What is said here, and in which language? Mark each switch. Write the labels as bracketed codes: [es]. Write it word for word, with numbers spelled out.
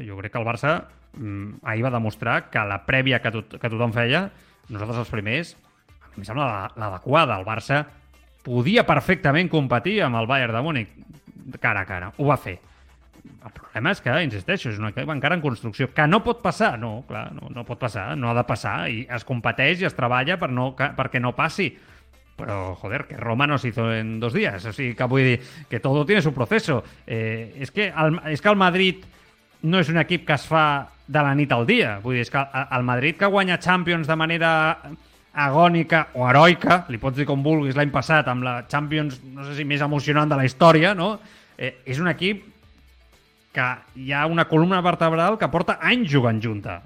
[ca] Jo crec que el Barça mm, ahir va demostrar que la prèvia que, tot, que tothom feia, nosaltres els primers, a mi em sembla l'adequada. El Barça podia perfectament competir amb el Bayern de Múnich cara a cara. Ho va fer. El problema és que, insisteixo, és una equip encara en construcció, que no pot passar, no, clar, no, no pot passar, no ha de passar, i es competeix i es treballa per no, que, perquè no passi. Però, [es] joder, que Roma no se hizo en dos días, [ca] o sigui que vull dir [es] que todo tiene su proceso. [ca] Eh, és, que el, és que el Madrid no és un equip que es fa de la nit al dia, vull dir, és que el Madrid que guanya Champions de manera agònica o heroica, li pots dir com vulguis, l'any passat, amb la Champions, no sé si més emocionant de la història, no? Eh, és un equip que hi ha una columna vertebral que porta anys jugant junta.